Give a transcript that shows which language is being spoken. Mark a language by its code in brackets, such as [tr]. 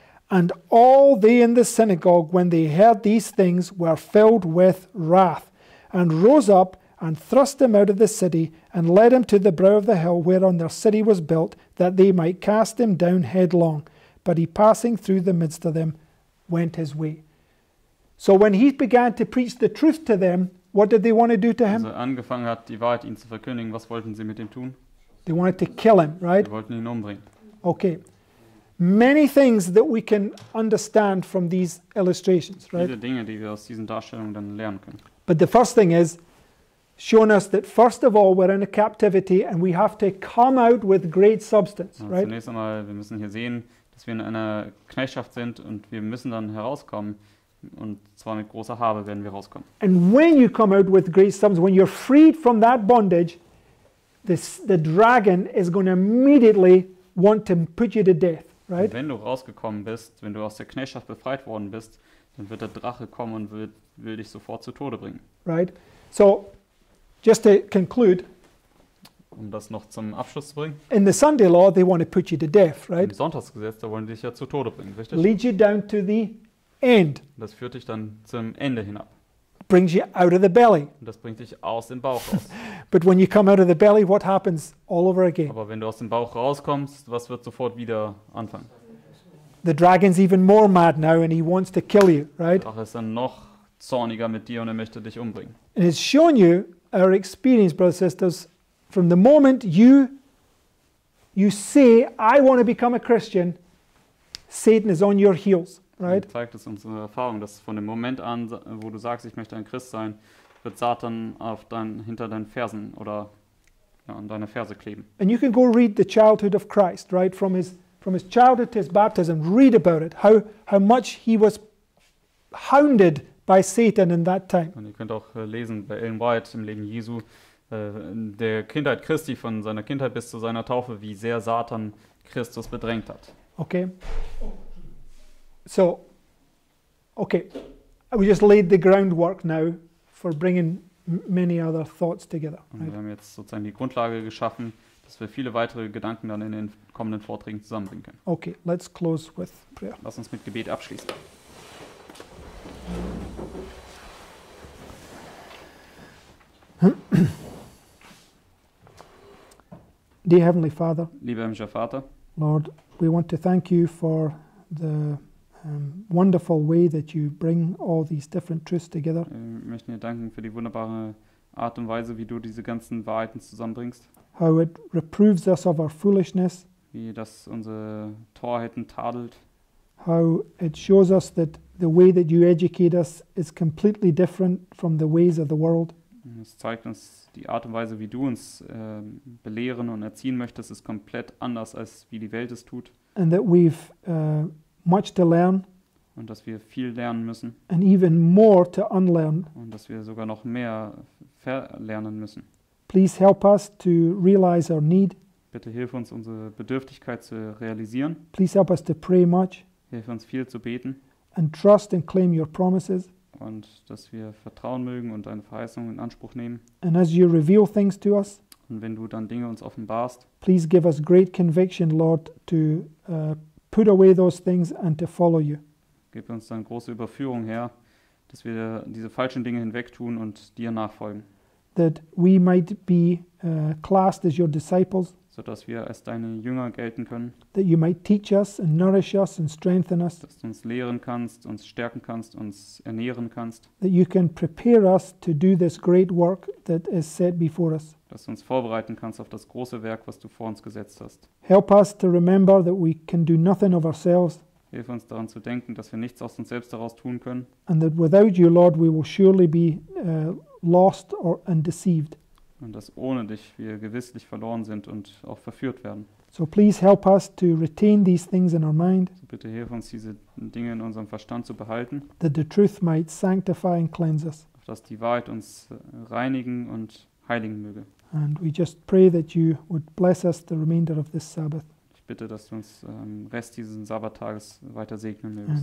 [en] And all they in the synagogue, when they heard these things, were filled with wrath, and rose up and thrust him out of the city, and led him to the brow of the hill whereon their city was built, that they might cast him down headlong. But he, passing through the midst of them, went his way. So when he began to preach the truth to them, what did they want to do to him? [de] Als er angefangen hat, die Wahrheit ihnen zu verkündigen, was wollten sie mit ihm tun? [en] They wanted to kill him, right? [de] Sie wollten ihn umbringen. [en] Okay. Many things that we can understand from these illustrations, right? [de] Viele Dinge, die wir aus diesen Darstellungen dann lernen können. [en] But the first thing is, shown us that first of all, we're in a captivity and we have to come out with great substance, right? [de] Zunächst einmal, wir müssen hier sehen, dass wir in einer Knechtschaft sind und wir müssen dann herauskommen. Und zwar mit großer Habe werden wir rauskommen. [en] And when you come out with great substance, when you're freed from that bondage, the dragon is going to immediately want to put you to death. Right? [de] Wenn du rausgekommen bist, wenn du aus der Knechtschaft befreit worden bist, dann wird der Drache kommen und will dich sofort zu Tode bringen. [en] Right. So, just to conclude. [de] Um das noch zum Abschluss zu bringen. [en] In the Sunday law, they want to put you to death, right? [de] Im Sonntagsgesetz, da wollen die dich ja zu Tode bringen, richtig? [en] Lead you down to the end. [de] Das führt dich dann zum Ende hinab. [en] Brings you out of the belly. [de] Und das bringt dich aus dem Bauch raus. [en] But when you come out of the belly, what happens all over again? [de] Aber wenn du aus dem Bauch rauskommst, was wird sofort wieder anfangen? [en] The dragon's even more mad now and he wants to kill you, right? [de] Der Drache ist dann noch zorniger mit dir und er möchte dich umbringen. [en] And it's shown you our experience, brothers and sisters, from the moment you say, I want to become a Christian, Satan is on your heels, right? [de] Das zeigt es unsere Erfahrung, dass von dem Moment an, wo du sagst, ich möchte ein Christ sein, wird Satan auf hinter deinen Fersen oder ja, an deine Ferse kleben. [en] And you can go read the childhood of Christ, right? From his childhood to his baptism, read about it. How much he was hounded by Satan in that time. [de] Und ihr könnt auch lesen bei Ellen White im Leben Jesu, der Kindheit Christi, von seiner Kindheit bis zu seiner Taufe, wie sehr Satan Christus bedrängt hat. [en] Okay. So, okay. I will just lay the groundwork now for bringing many other thoughts together. Right? [de] Und wir haben jetzt sozusagen die Grundlage geschaffen, dass wir viele weitere Gedanken dann in den kommenden Vorträgen zusammenbringen können. [en] Okay, let's close with prayer. [de] Lass uns mit Gebet abschließen. [en] Dear Heavenly Father, [de] lieber himmlischer Vater, [en] Lord, we want to thank you for the wonderful way that you bring all these different truths together. [de] Wir möchten dir danken für die wunderbare Art und Weise, wie du diese ganzen Wahrheiten zusammenbringst. [en] How it reproves us of our foolishness. [de] Wie das unsere Torheiten tadelt. [en] How it shows us that the way that you educate us is completely different from the ways of the world. [de] Es zeigt uns, die Art und Weise, wie du uns belehren und erziehen möchtest, ist komplett anders, als wie die Welt es tut. [en] And that we've much to learn. [de] Und dass wir viel lernen müssen. [en] And even more to unlearn. [de] Und dass wir sogar noch mehr verlernen müssen. [en] Please help us to realize our need. [de] Bitte hilf uns, unsere Bedürftigkeit zu realisieren. [en] Please help us to pray much. [de] Hilf uns, viel zu beten. [en] And trust and claim your promises. [de] Und dass wir vertrauen mögen und deine Verheißung in Anspruch nehmen. [en] And as you reveal things to us, [de] und wenn du dann Dinge uns offenbarst, [en] please give us great conviction, Lord, to put away those things and to follow you. [de] Gib uns dann große Überführung, Herr, dass wir diese falschen Dinge hinwegtun und dir nachfolgen. [en] That we might be classed as your disciples. [de] So dass wir als deine Jünger gelten können. [en] That you might teach us and nourish us and strengthen us. [de] Dass du uns lehren kannst, uns stärken kannst, uns ernähren kannst. [en] That you can prepare us to do this great work that is set before us. [de] Dass du uns vorbereiten kannst auf das große Werk, was du vor uns gesetzt hast. [en] Help us to remember that we can do nothing of ourselves. [de] Hilf uns daran zu denken, dass wir nichts aus uns selbst daraus tun können. [en] And that without you, Lord, we will surely be lost or undeceived. [de] Und dass ohne dich wir gewisslich verloren sind und auch verführt werden. [en] So please help us to retain these things in our mind. [de] So bitte hilf uns, diese Dinge in unserem Verstand zu behalten. [en] That the truth might sanctify and cleanse us. [de] Dass die Wahrheit uns reinigen und heiligen möge. [en] And we just pray that you would bless us the remainder of this Sabbath. [de] Ich bitte, dass du uns am Rest dieses Sabbattages weiter segnen mögest.